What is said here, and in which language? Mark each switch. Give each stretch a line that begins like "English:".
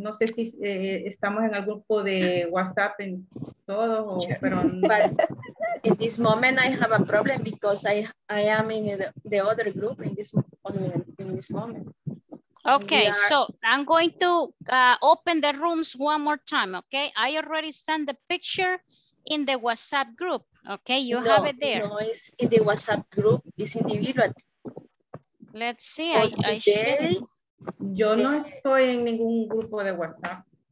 Spanish: No sé si estamos en el grupo de WhatsApp en todos, pero
English: but in this moment I have a problem because I am in the other group in this moment. Okay, so I'm going to open the rooms one more time, okay? I already sent the picture in the WhatsApp group, okay? You have it there. No, it's in the WhatsApp group, it's individual. Let's see, I should.
Spanish: Yo no estoy en ningún grupo de WhatsApp.